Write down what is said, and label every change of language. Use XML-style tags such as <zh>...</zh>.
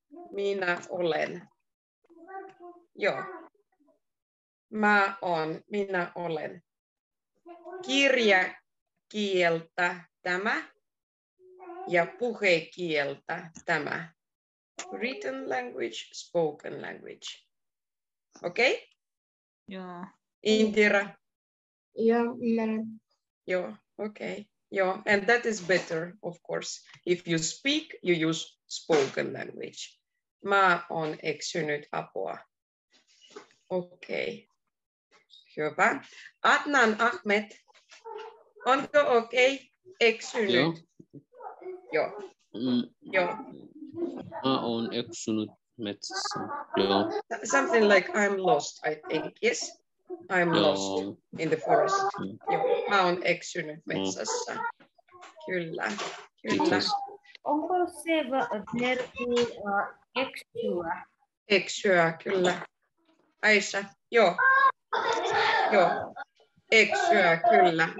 <fi>Minä olen. Joo. Mä on, minä olen. Kirjakieltä tämä ja puhekieltä tämä.</fi> <en>Written language, spoken language.</en> <fi>Okei? Okay? Joo. Indira. Joo, ymmärrän. Joo, okei. Okay.</fi> <en>Joo, and that is better, of course. If you speak, you use spoken language.</en> <fi>Mä on eksynyt apua. Okei. Okay. Hyvä. Adnan Ahmed, onko okei okay? Eksynyt? Joo. Joo. Mm. Joo. Mä oon eksynyt metsässä, joo.</fi> <en>Something like I'm lost, I think, yes? I'm joo. Lost in the forest. Mm. Joo.</en> <fi>Mä oon eksynyt metsässä. Mm. Kyllä, kyllä. Onko se verbi eksyä? Eksyä, kyllä. Aisha, joo. Joo, eksyä, kyllä.</fi>